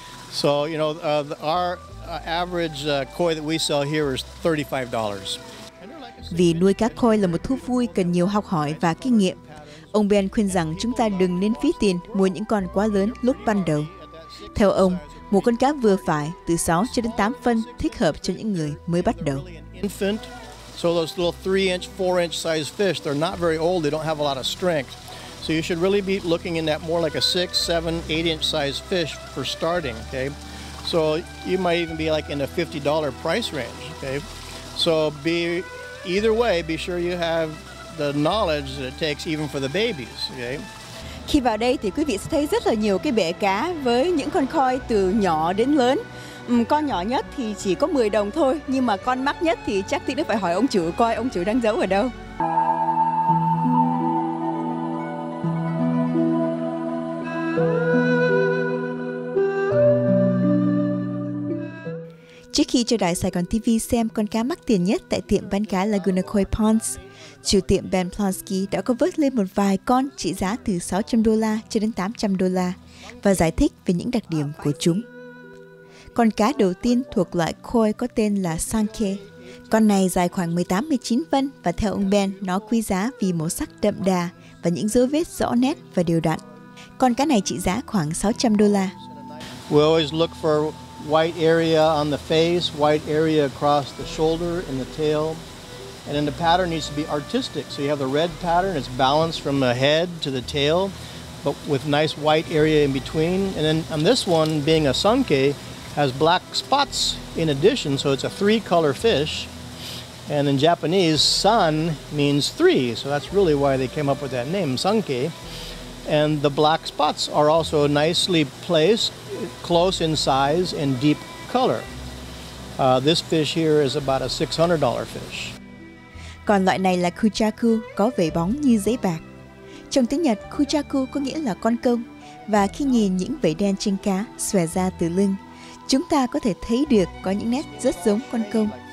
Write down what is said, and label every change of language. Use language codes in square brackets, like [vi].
[en] So, you know, our average koi that we sell here is $35. [vi] Vì nuôi cá koi là một thú vui cần nhiều học hỏi và kinh nghiệm. Ông Ben khuyên rằng chúng ta đừng nên phí tiền mua những con quá lớn lúc ban đầu. Theo ông, một con cá vừa phải từ 6 cho đến 8 phân thích hợp cho những người mới bắt đầu. [en] Infant, so those little 3-inch, 4-inch size fish, they're not very old, they don't have a lot of strength. So you should really be looking in that more like a 6, 7, 8-inch size fish for starting, okay? So you might even be like in a $50 price range, okay? So be either way, be sure you have the knowledge that it takes even for the babies, okay? [vi] Khi vào đây thì quý vị sẽ thấy rất là nhiều cái bể cá với những con koi từ nhỏ đến lớn. Con nhỏ nhất thì chỉ có 10 đồng thôi, nhưng mà con mắc nhất thì chắc tí nữa phải hỏi ông chủ coi ông chủ đang giấu ở đâu. Trước khi cho đài Saigon TV xem con cá mắc tiền nhất tại tiệm bán cá Laguna Koi Ponds, chủ tiệm Ben Plonski đã có vớt lên một vài con trị giá từ $600 cho đến $800 và giải thích về những đặc điểm của chúng. Con cá đầu tiên thuộc loại koi có tên là Sankey. Con này dài khoảng 18-19 phân và theo ông Ben, nó quý giá vì màu sắc đậm đà và những dấu vết rõ nét và đều đặn. Con cá này trị giá khoảng $600. [en] We always look for white area on the face, white area across the shoulder and the tail. And then the pattern needs to be artistic. So you have the red pattern, it's balanced from the head to the tail, but with nice white area in between. And then on this one, being a Sankey, has black spots in addition, so it's a three-color fish. And in Japanese, san means three, so that's really why they came up with that name, Sankey. And the black spots are also nicely placed, close in size and deep color. This fish here is about a $600 fish. [vi] Còn loại này là Kuchaku, có vảy bóng như giấy bạc. Trong tiếng Nhật, Kuchaku có nghĩa là con công, và khi nhìn những vảy đen trên cá xòe ra từ lưng, chúng ta có thể thấy được có những nét rất giống con công.